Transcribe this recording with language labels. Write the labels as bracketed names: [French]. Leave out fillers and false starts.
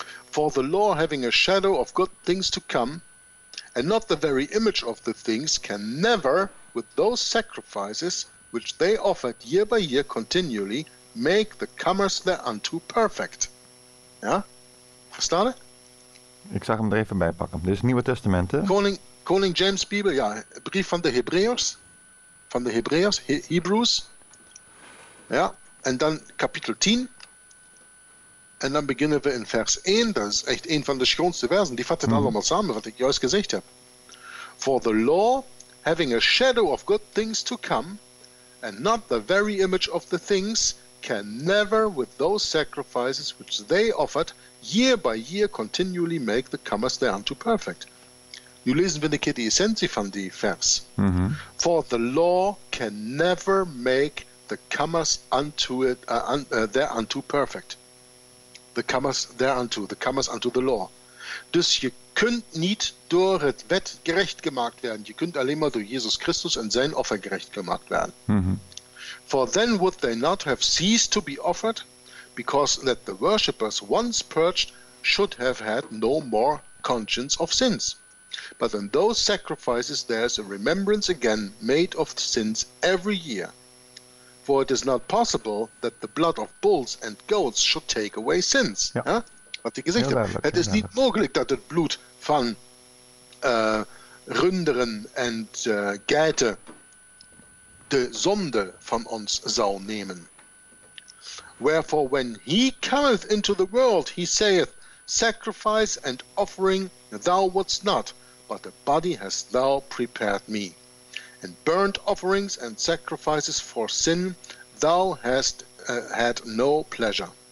[English] For the law having a shadow of good things to come, and not the very image of the things, can never with those sacrifices which they offered year by year continually make the comers thereunto perfect. [Dutch] Ja? Verstaan het? Ik zag hem er even bij pakken. Dit is het Nieuwe Testament, hè? Koning James Bijbel, ja, brief van de Hebreërs. Van de Hebreërs, Hebrews. Ja, en dan kapitel 10. En dan beginnen we in vers 1. Dat is echt een van de schoonste versen. Die vat het allemaal samen, wat ik juist gezegd heb. [English] For the law, having a shadow of good things to come, and not the very image of the things, can never with those sacrifices which they offered year by year continually make the comers thereunto perfect. [Dutch] Nu lezen we een keer de essentie van die vers. Mm-hmm. [English] For the law can never make the comers unto it thereunto perfect. The comers thereunto, the comers unto the law. [Dutch] Dus je kunt niet door het wet gerecht gemaakt werden. Je kunt alleen maar door Jesus Christus en zijn offer gerecht gemaakt werden. Mm-hmm. [English] For then would they not have ceased to be offered, because that the worshippers once purged should have had no more conscience of sins. But in those sacrifices there is a remembrance again made of sins every year. For it is not possible that the blood of bulls and goats should take away sins. [Dutch] Ja. Ja? Wat ik gezegd heb. Het is niet mogelijk dat het bloed van runderen en geiten de zonde van ons zou nemen. [English] Wherefore, when he cometh into the world, he saith, sacrifice and offering thou wouldst not, but a body hast thou prepared me. And burnt offerings and sacrifices for sin thou hast had no pleasure.